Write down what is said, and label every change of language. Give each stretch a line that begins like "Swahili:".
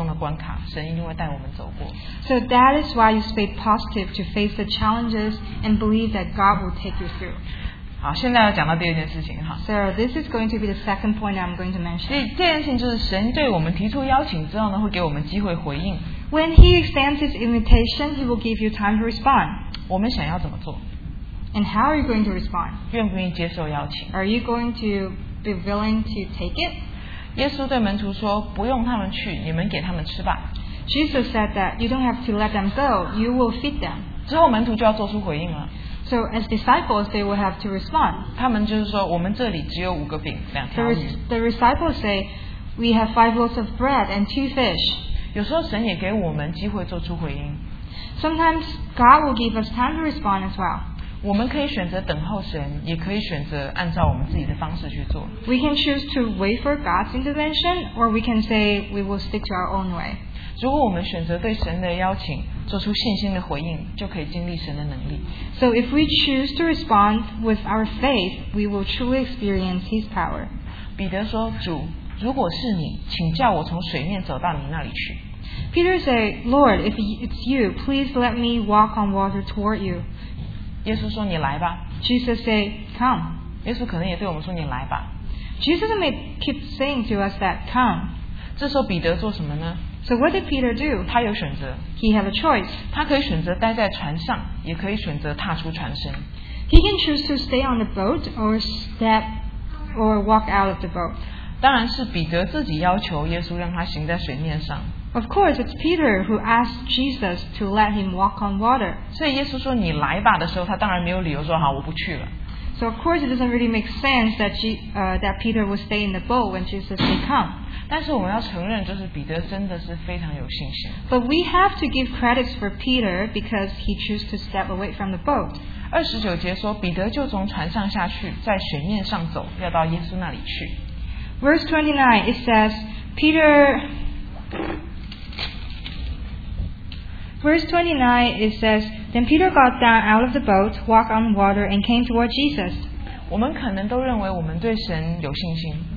Chinese: 所以带着这样的信念去面对人生中的关卡，神一定会带我们走过。
English: So that is why you stay positive to face the challenges and believe that God will take you through.
Chinese: 好，现在要讲到第二件事情哈。
English: So this is going to be the second point I'm going to mention.
Chinese: 第二件事情就是神对我们提出邀请之后呢，会给我们机会回应。
English: When He extends His invitation, He will give you time to respond.
Chinese: 我们想要怎么做？
English: And how are you going to respond?
Chinese: 愿不愿意接受邀请？
English: Are you going to be willing to take it?
Chinese: 耶稣对门徒说：“不用他们去，你们给他们吃吧。”Jesus
English: said that you don't have to let them go; you will feed them.
Chinese: 之后门徒就要做出回应了。
English: So as disciples, they will have to respond.
Chinese: 他们就是说，我们这里只有五个饼，两条鱼。
English: The disciples say, "We have 5 loaves of bread and 2 fish."
Chinese: 有时候神也给我们机会做出回应。
English: Sometimes God will give us time to respond as well.
Chinese: 我们可以选择等候神，也可以选择按照我们自己的方式去做。
English: We can choose to wait for God's intervention, or we can say we will stick to our own way.
Chinese: 如果我们选择对神的邀请，做出信心的回应，就可以经历神的能力。
English: So if we choose to respond with our faith, we will truly experience His power.
Chinese: 彼得说：“主，如果是你，请叫我从水面走到你那里去。”
English: Peter said, "Lord, if it's you, please let me walk on water toward you."
Chinese: 耶稣说：“你来吧。”
English: Jesus said, "Come."
Chinese: 耶稣可能也对我们说：“你来吧。”
English: Jesus may keep saying to us that, "Come."
Chinese: 这时候彼得做什么呢？
English: So what did Peter do?
Chinese: 他有选择。
English: He had a choice.
Chinese: 他可以选择待在船上，也可以选择踏出船身。
English: He can choose to stay on the boat or step or walk out of the boat.
Chinese: 当然是彼得自己要求耶稣让他行在水面上。
English: Of course, it's Peter who asked Jesus to let him walk on water.
Chinese: 所以耶稣说你来吧的时候，他当然没有理由说好我不去了。
English: So of course, it doesn't really make sense that that Peter would stay in the boat when Jesus would come.
Chinese: 但是我们要承认，就是彼得真的是非常有信心。
English: But we have to give credits for Peter because he chose to step away from the boat.
Chinese: 二十九节说，彼得就从船上下去，在水面上走，要到耶稣那里去。
English: Verse 29, it says, Peter. Verse 29, it says, Then Peter got down out of the boat, walked on water, and came toward Jesus.
Chinese: 我们可能都认为我们对神有信心。